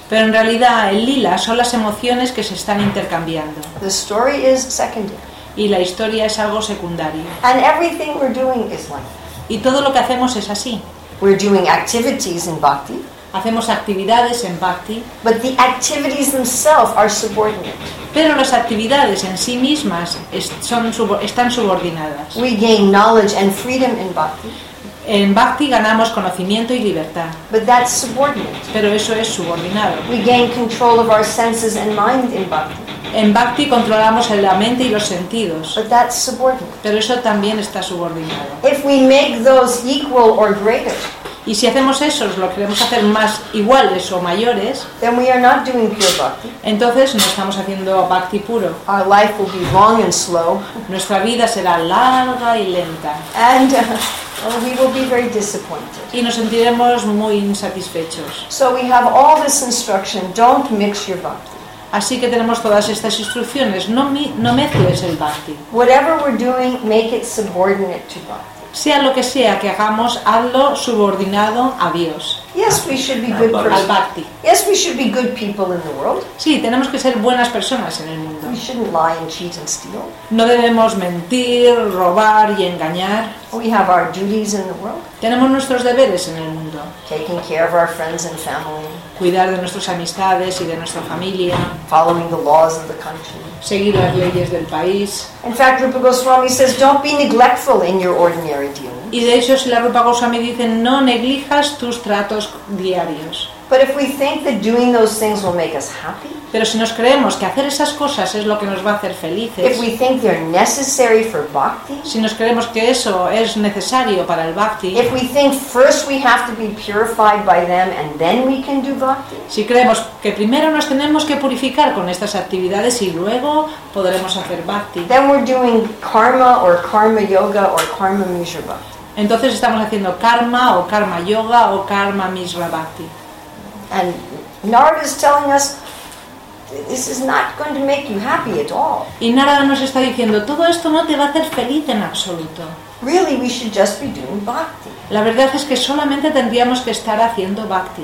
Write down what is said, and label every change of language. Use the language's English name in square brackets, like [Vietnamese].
[Spanish] Pero en realidad, el lila son las emociones que se están intercambiando. [English] The story is secondary. [Spanish] Y la historia es algo secundario. [English] And everything we're doing is like. [Spanish] Y todo lo que hacemos es así. [English] We're doing activities in bhakti. [Spanish] Hacemos actividades en bhakti. [English] But the activities themselves are subordinate. [Spanish] Pero las actividades en sí mismas están subordinadas. [English] We gain knowledge and freedom in bhakti. [Spanish] En bhakti ganamos conocimiento y libertad. [English] But that's subordinate. [Spanish] Pero eso es subordinado. [English] We gain control of our senses and mind in bhakti. [Spanish] En bhakti controlamos la mente y los sentidos. [English] But that's subordinate. [Spanish] Pero eso también está subordinado. [English] If we make those equal or greater. [Spanish] Y si hacemos eso, lo queremos hacer más iguales o mayores, [English] then we are not doing pure bhakti. [Spanish] Entonces no estamos haciendo bhakti puro. [English] Our life will be long and slow. [Spanish] Nuestra vida será larga y lenta. [English] And we will be very disappointed. [Spanish] Y nos sentiremos muy insatisfechos. [English] So we have all this instruction, don't mix your bhakti. [Spanish] Así que tenemos todas estas instrucciones, no mezcles el bhakti. [English] Whatever we're doing, make it subordinate to bhakti. [Spanish] Sea lo que sea que hagamos, hazlo subordinado a Dios. [English] Yes, we should be good persons. [Spanish] Al bhakti. [English] Yes, we should be good people in the world. [Spanish] Sí, tenemos que ser buenas personas en el mundo. [English] We shouldn't lie and cheat and steal. [Spanish] No debemos mentir, robar y engañar. [English] We have our duties in the world. [Spanish] Tenemos nuestros deberes en el mundo. [English] Taking care of our friends and family. [Spanish] Cuidar de nuestras amistades y de nuestra familia. [English] Following the laws of the country. [Spanish] Seguir las leyes del país. [English] In fact, Rupa Goswami says, don't be neglectful in your ordinary dealings. [Spanish] Y de hecho, si la Rupa Goswami dice, no neglijas tus tratos diarios. [English] But if we think that doing those things will make us happy. [Spanish] Pero si nos creemos que hacer esas cosas es lo que nos va a hacer felices. [English] If we think they're necessary for bhakti. [Spanish] Si nos creemos que eso es necesario para el bhakti. [English] If we think first we have to be purified by them and then we can do bhakti. [Spanish] Si creemos que primero nos tenemos que purificar con estas actividades y luego podremos hacer bhakti. [English] Then we're doing karma or karma yoga or karma misra bhakti. [Spanish] Entonces estamos haciendo karma o karma yoga o karma misra bhakti. [English] And Narada is telling us, this is not going to make you happy at all. [Spanish] Y Narada nos está diciendo, todo esto no te va a hacer feliz en absoluto. [English] Really, we should just be doing bhakti. [Spanish] La verdad es que solamente tendríamos que estar haciendo bhakti.